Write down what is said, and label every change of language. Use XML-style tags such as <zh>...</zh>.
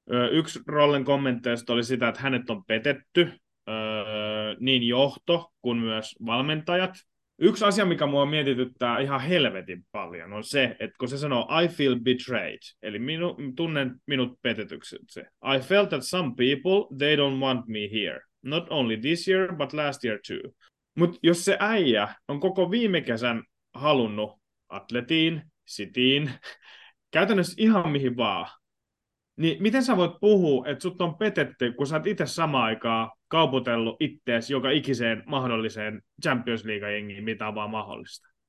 <fi>Yksi Rollen kommenteista oli sitä, että hänet on petetty, niin johto kuin myös valmentajat. Yksi asia, mikä mua mietityttää ihan helvetin paljon, on se, että kun se sanoo,</fi> <en>I feel betrayed,</en> <fi>eli tunnen minut petetyksi.</fi> <en>I felt that some people, they don't want me here. Not only this year, but last year too.</en> <fi>Mut jos se äijä on koko viime kesän halunnut Atletiin, Cityin, käytännössä ihan mihin vaan, niin miten sä voit puhua, että sut on petetty, kun sä oot itse samaan aikaan kaupotellut ittees joka ikiseen mahdolliseen Champions League-jengiin, mitä on vaan mahdollista?</fi>